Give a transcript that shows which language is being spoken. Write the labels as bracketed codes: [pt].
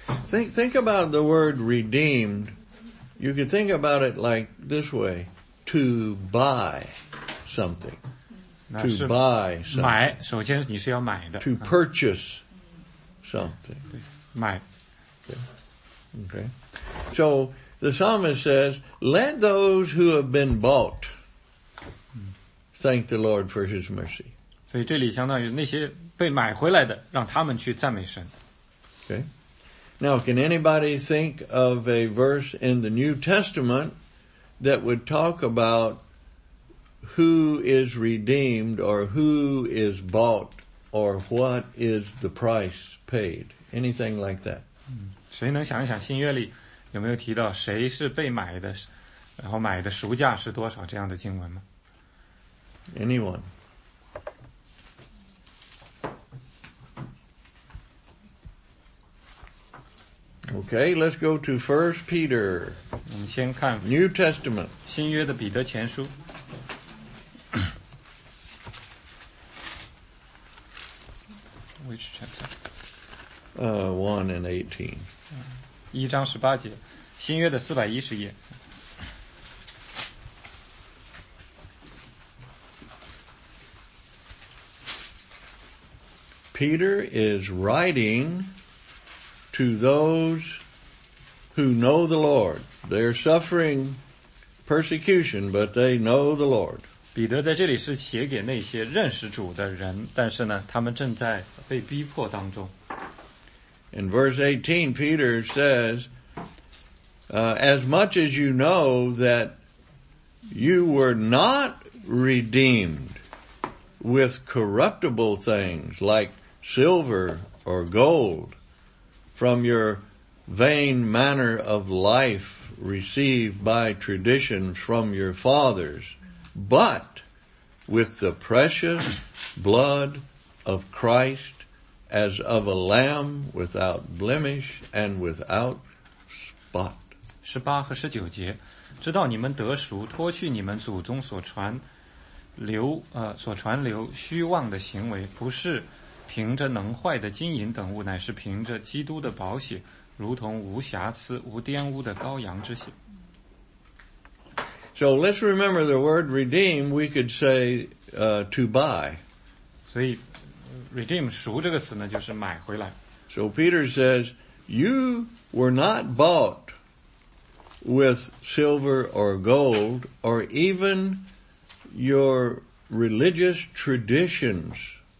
[en] Think about the word redeemed. You could think about it like this way: to buy something, to buy something. [zh] 买，首先你是要买的。 [en] To purchase something. [zh] 对，买。 [en] Okay. So the psalmist says, "Let those who have been bought." Thank the Lord for His mercy. [zh] 所以这里相当于那些被买回来的，让他们去赞美神。 [en] Okay. Now, can anybody think of a verse in the New Testament that would talk about who is redeemed or who is bought or what is the price paid? Anything like that? [zh] 谁能想一想新约里有没有提到谁是被买的，然后买的赎价是多少这样的经文吗？ [en] Anyone? Okay, let's go to 1 Peter. [zh] 我们先看 [en] New Testament. [zh] 新约的彼得前书。 [en] Which chapter? 1 and 18. [zh] 一章十八节，新约的410页。 [en] Peter is writing to those who know the Lord. They're suffering persecution, but they know the Lord. [zh] 彼得在这里是写给那些认识主的人，但是呢，他们正在被逼迫当中。 [en] In verse 18, Peter says, as much as you know that you were not redeemed with corruptible things like silver or gold from your vain manner of life received by tradition from your fathers, but with the precious blood of Christ as of a lamb without blemish and without spot. [zh] 十八和十九节，知道你们得赎，脱去你们祖宗所传流虚妄的行为，不是凭着能坏的金银等物，乃是凭着基督的宝血，如同无瑕疵无玷污的羔羊之血。 [en] So let's remember the word redeem. We could say to buy. [zh] 所以 redeem 赎这个词呢，就是买回来。 [en] So Peter says, you were not bought with silver or gold or even your religious traditions.